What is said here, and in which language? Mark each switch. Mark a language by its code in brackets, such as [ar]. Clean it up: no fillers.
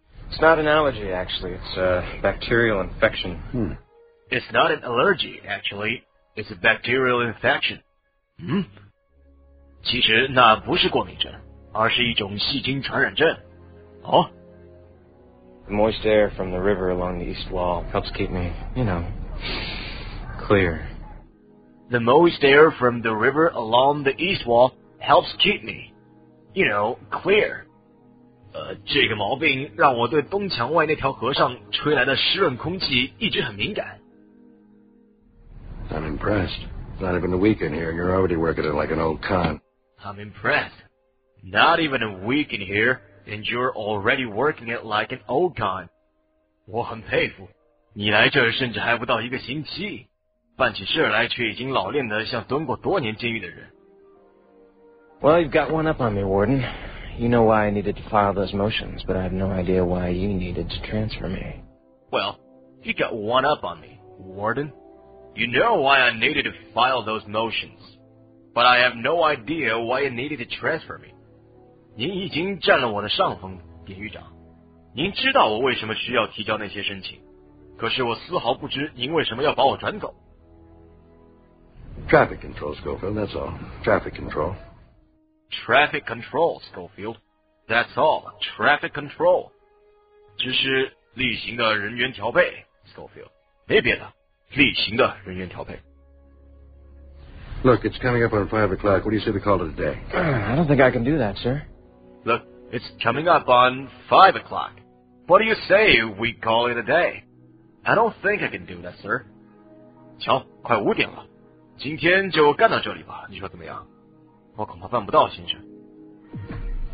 [en] It's not an allergy, actually. It's a bacterial infection. It's not an allergy, actually. It's a bacterial infection. [zh] 其实那不是过敏症，而是一种细菌传染症。 [en] The moist air from the river along the east wall helps keep me, you know, clear. The moist air from the river along the east wall helps keep me, you know, clear. [zh] 这个毛病让我对东墙外那条河上吹来的湿润空气一直很敏感。 [en] I'm impressed. Not even a week in here, and you're already working it like an old con. I'm impressed. Not even a week in here, and you're already working it like an old con. [zh] 我很佩服，你来这儿甚至还不到一个星期，办起事来却已经老练得像蹲过多年监狱的人。 [en] Well, you've got one up on me, Warden. You know why I needed to file those motions, but I have no idea why you needed to transfer me. Well, you got one up on me, Warden. You know why I needed to file those motions, but I have no idea why you needed to transfer me. [zh] 您已经占了我的上风，典狱长。您知道我为什么需要提交那些申请，可是我丝毫不知您为什么要把我转走。 [en] Traffic control, Schofield, that's all. Traffic control. Traffic control, Schofield. That's all. Traffic control. [zh] 只是例行的人员调配, Schofield. 没别的,例行的人员调配。 [en] Look, it's coming up on 5 o'clock. What do you say we call it a day? I don't think I can do that, sir. Look, it's coming up on 5 o'clock. What do you say we call it a day? I don't think I can do that, sir. [zh] 瞧,快五点了。今天就干到这里吧,你说怎么样? 我恐怕办不到，先生。